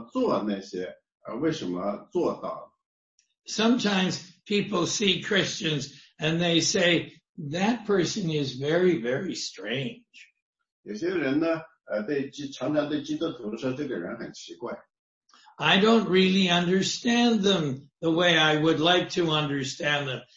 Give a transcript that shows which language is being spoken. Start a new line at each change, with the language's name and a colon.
Chinese: 你会学到他为什么做那些，而为什么做到。
English: Sometimes people see Christians and they say, that person is very, very strange.
Chinese: 有些人呢，常常对基督徒说这个人很奇怪。
English: I don't really understand them the way I would like to understand them.